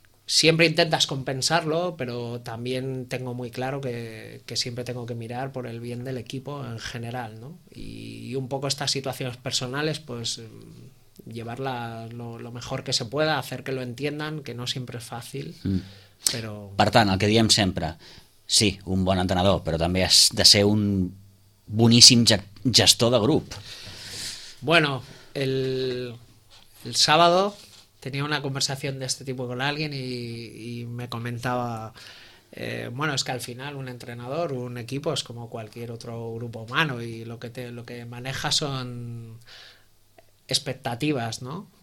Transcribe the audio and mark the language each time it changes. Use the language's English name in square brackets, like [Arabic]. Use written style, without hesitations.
[Spanish] Siempre intentas compensarlo, pero también tengo muy claro que siempre tengo que mirar por el bien del equipo en general, ¿no? Y un poco estas situaciones personales, pues llevarlas lo mejor que se pueda, hacer que lo entiendan, que no siempre es fácil, pero... [Catalan] Per tant, el que diem sempre, sí, un bon entrenador, però també has de ser un boníssim gestor de grup. [Spanish] Bueno, el sábado... Tenía una conversación de este tipo con alguien y me comentaba, bueno, es que al final un entrenador, un equipo es como cualquier otro grupo humano y lo que maneja son expectativas, ¿no?